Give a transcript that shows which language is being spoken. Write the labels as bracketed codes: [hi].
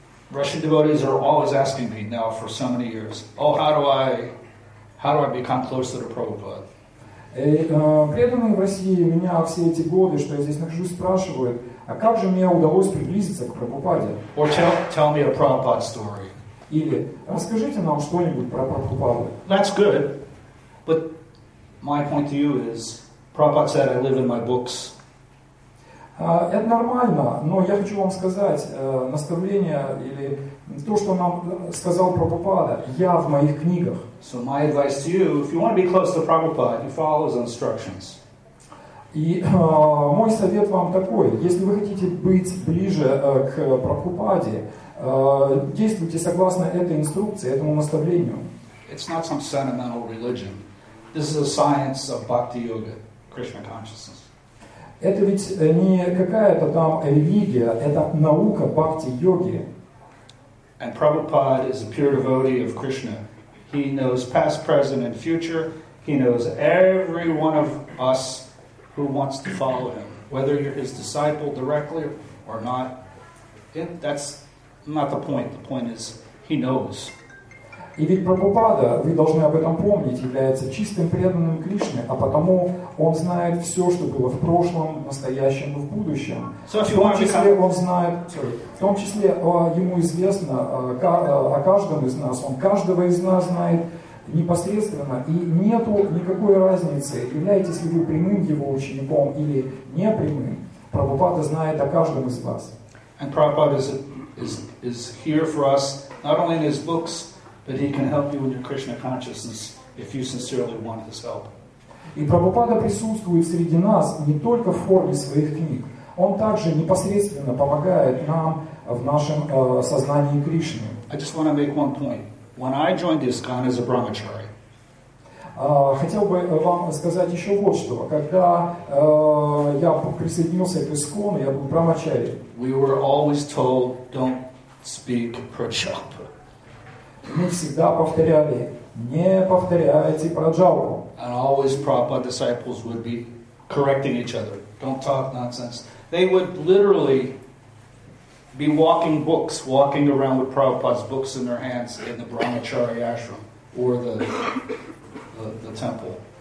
[en] Russian devotees are always asking me now for so many years, oh, how do I become closer to Prabhupada? [ru] Преданные в России меня все эти годы, что я здесь нахожусь, спрашивают, а как же мне удалось приблизиться к Прабхупаде? [en] Or tell me a Prabhupada story. [ru] Или расскажите нам что-нибудь про Прабхупаду. [en] That's good, but my point to you is, Prabhupada said, I live in my books. [ru] Это нормально, но я хочу вам сказать, наставление или то, что нам сказал Прабхупада, я в моих книгах. [en] So my advice to you, if you want to be close to Prabhupada, you follow his instructions. [ru] И мой совет вам такой, если вы хотите быть ближе к Прабхупаде, действуйте согласно этой инструкции, этому наставлению. [en] It's not some sentimental religion. This is a science of bhakti yoga, Krishna consciousness. [ru] Это ведь не какая-то там религия, это наука бхакти-йоги. [en] And Prabhupada is a pure devotee of Krishna. He knows past, present, and future. He knows every one of us who wants to follow him, whether you're his disciple directly or not. That's not the point. The point is, he knows. [ru] И ведь Прабхупада, вы должны об этом помнить, является чистым преданным Кришне, а потому он знает все, что было в прошлом, в настоящем и в будущем. [en] So [ru] в том числе он знает, в том числе ему известно о каждом из нас, он каждого из нас знает непосредственно, и нету никакой разницы, являетесь ли вы прямым его учеником или непрямым, Прабхупада знает о каждом из вас. [en] And Prabhupada is here for us, not only in his books, but he can help you in your Krishna consciousness if you sincerely want his help. [ru] И Прабхупада присутствует среди нас не только в форме своих книг. Он также непосредственно помогает нам в нашем сознании Кришны. [en] I just want to make one point. When I joined ISKCON as a brahmachari, [ru] хотел бы вам сказать еще вот что. Когда я присоединился к ISKCON, я был брахмачари. [en] We were always told, don't speak prajapa. [ru] Мы всегда повторяли, не повторяйте праджапу. [en] And always Prabhupada disciples would be correcting each other. Don't talk nonsense. They would literally be walking books, walking around with Prabhupada's books in their hands in the Brahmachari ashram or the temple.